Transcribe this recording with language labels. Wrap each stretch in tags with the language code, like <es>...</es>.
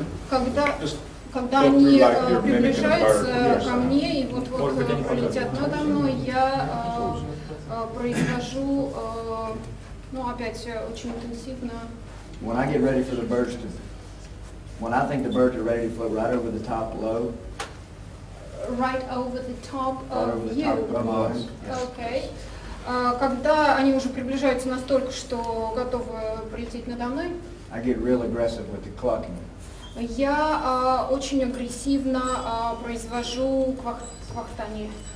<ru>Когда они приближаются ко мне и вот-вот полетят надо мной, я произвожу, ну опять очень интенсивно.</ru> <en>When I get ready for the birds to, when I think the birds are ready to float right over the top low. Right over the top of you. Okay.</en> <ru>Когда они уже приближаются настолько, что готовы полететь надо мной.</ru> <en>I get real aggressive with the clucking.</en> <ru>Я очень агрессивно произвожу квахтание.</ru>